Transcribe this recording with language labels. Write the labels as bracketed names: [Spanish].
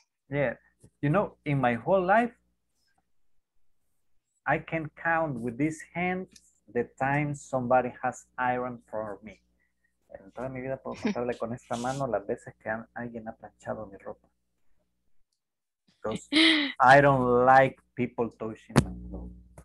[English] Yeah, you know, in my whole life, I can count with this hand the time somebody has ironed for me. [Spanish] En toda mi vida puedo contarle con esta mano las veces que alguien ha planchado mi ropa. [English] Because I don't like people touching my clothes.